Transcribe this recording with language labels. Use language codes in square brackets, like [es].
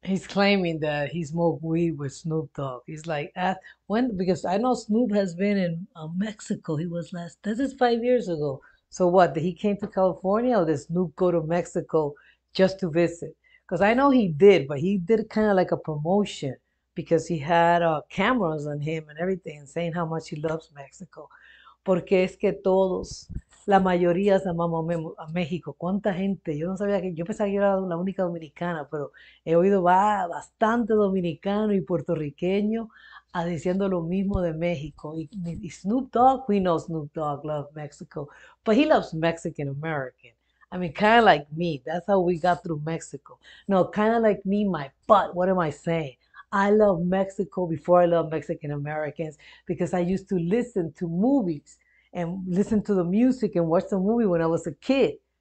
[en] He's claiming that he smoked weed with Snoop Dogg. He's like, because I know Snoop has been in Mexico. He was last, this is 5 years ago. So what, did he came to California or did Snoop go to Mexico just to visit? Because I know he did, but he did kind of like a promotion because he had cameras on him and everything saying how much he loves Mexico. [es] porque es que todos, la mayoría, amamos a México. ¿Cuánta gente? Yo no sabía que, yo pensaba que yo era la única dominicana, pero he oído bastante dominicano y puertorriqueño a diciendo lo mismo de México. [en] Y Snoop Dogg, we know Snoop Dogg loves Mexico, but he loves Mexican American. I mean, kind of like me. That's how we got through Mexico. No, kind of like me, my butt. What am I saying? I love Mexico before I love Mexican Americans because I used to listen to movies and listen to the music and watch the movie when I was a kid.